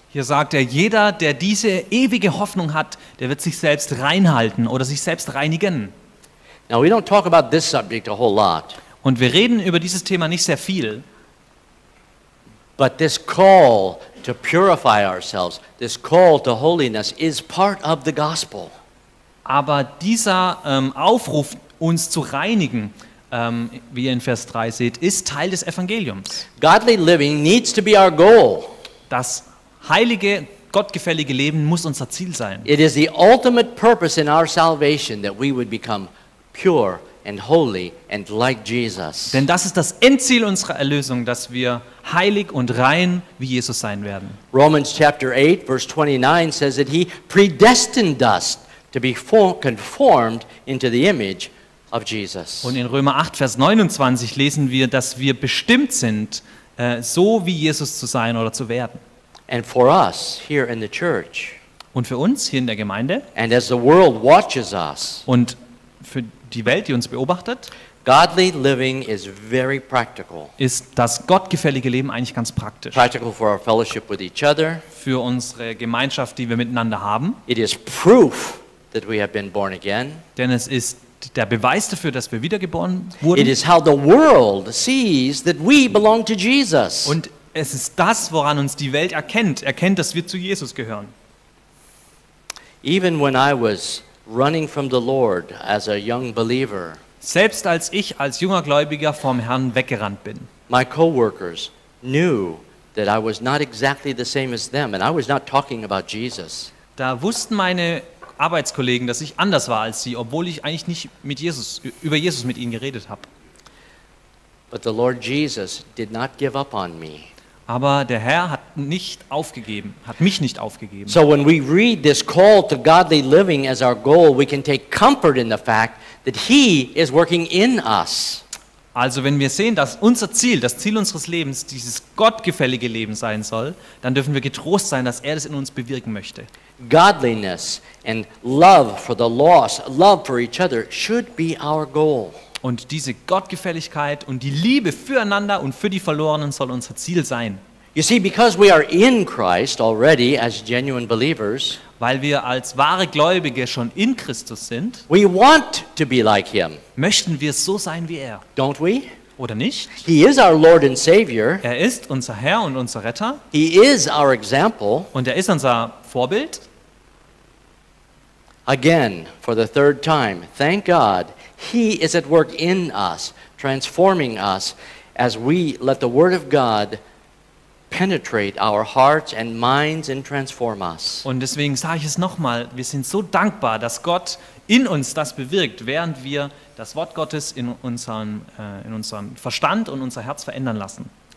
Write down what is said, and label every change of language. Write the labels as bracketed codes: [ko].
[de] Hier sagt er, jeder, der diese ewige Hoffnung hat, der wird sich selbst reinhalten oder sich selbst reinigen. [en] Now we don't talk about this subject a whole lot. [de] Und wir reden über dieses Thema nicht sehr viel. [en] But this call to purify ourselves, this call to holiness is part of the gospel. [de] Aber dieser Aufruf, uns zu reinigen, wie ihr in Vers 3 seht, ist Teil des Evangeliums. [en] Godly living needs to be our goal. [de] Das heilige, gottgefällige Leben muss unser Ziel sein. [en] It is the ultimate purpose in our salvation that we would become pure and holy and like Jesus. [de] Denn das ist das Endziel unserer Erlösung, dass wir heilig und rein wie Jesus sein werden. [en] Romans chapter 8 verse 29 says that he predestined us to be conformed into the image of Jesus. [de] Und in Römer 8 Vers 29 lesen wir, dass wir bestimmt sind, so wie Jesus zu sein oder zu werden. [en] And for us here in the church. [de] Und für uns hier in der Gemeinde. [en] And as the world watches us. [de] Und für die Welt, die uns beobachtet. [en] Godly living is very practical. [de] Ist das gottgefällige Leben eigentlich ganz praktisch? [en] Practical for our fellowship with each other. [de] Für unsere Gemeinschaft, die wir miteinander haben. [en] It is proof that we have been born again. [de] Denn es ist der Beweis dafür, dass wir wiedergeboren wurden. [en] It is how the world sees that we belong to Jesus. [de] Und es ist das, woran uns die Welt erkennt, dass wir zu Jesus gehören. [en] Even when I was running from the Lord as a young believer. [de] Selbst als ich als junger Gläubiger vom Herrn weggerannt bin. [en] My coworkers knew that I was not exactly the same as them and I was not talking about Jesus. [de] Da wussten meine Arbeitskollegen, dass ich anders war als sie, obwohl ich eigentlich nicht mit Jesus über Jesus mit ihnen geredet habe. [en] But the Lord Jesus did not give up on me. [de] Aber der Herr hat nicht aufgegeben, hat mich nicht aufgegeben. [en] So when we read this call to godly living as our goal, we can take comfort in the fact that he is working in us. [de] Also wenn wir sehen, dass unser Ziel, das Ziel unseres Lebens, dieses gottgefällige Leben sein soll, dann dürfen wir getrost sein, dass er das in uns bewirken möchte. [en] Godliness and love for the lost, love for each other should be our goal. [de] Und diese Gottgefälligkeit und die Liebe füreinander und für die Verlorenen soll unser Ziel sein. [en] You see, because we are in Christ already as genuine believers, [de] weil wir als wahre Gläubige schon in Christus sind, [en] we want to be like him. [de] Möchten wir so sein wie er. [en] Don't we? [de] Oder nicht? [en] He is our Lord and Savior. [de] Er ist unser Herr und unser Retter. [en] He is our example. [de] Und er ist unser Vorbild. [en] Again, for the third time, thank God, he is at work in us, transforming us as we let the word of God penetrate our hearts and minds and transform us. [de] Und deswegen sage ich es nochmal, wir sind so dankbar, dass Gott in uns das bewirkt, während wir das Wort Gottes in unserem Verstand und unser Herz verändern lassen.